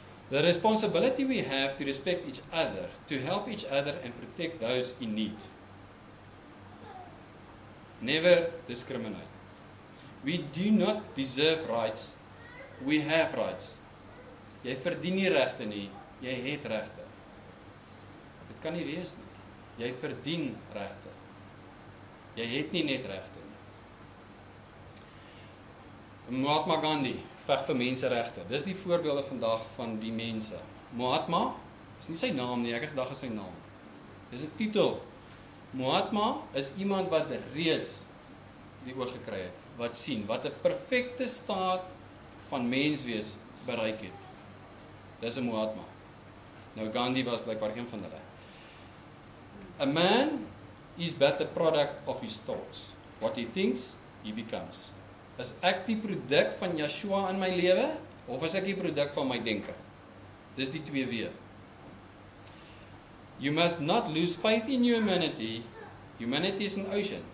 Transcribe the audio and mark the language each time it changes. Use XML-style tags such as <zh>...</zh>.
<en>The responsibility we have to respect each other, to help each other and protect those in need. Never discriminate. We do not deserve rights, we have rights.</en> <af>Jy verdien nie regte nie, jy het regte. Dit kan nie wees nie. Jy verdien regte. Jy het nie net regte nie. Mahatma Gandhi veg vir menseregte. Dis die voorbeelde vandag van die mense. Mahatma is nie sy naam nie, ek het gedag is sy naam. Dis 'n titel. Mahatma is iemand wat reeds die oog gekry het, wat sien, wat 'n perfekte staat van menswees bereik het. Dis 'n Mahatma. Nou Gandhi was blykbaar een van hulle.</af> <en>A man is but the product of his thoughts. What he thinks, he becomes.</en> <af>Is ek die produk van Yeshua in my lewe, of is ek die produk van my denke? Dis die twee weë.</af> <en>You must not lose faith in your humanity. Humanity is an ocean.</en>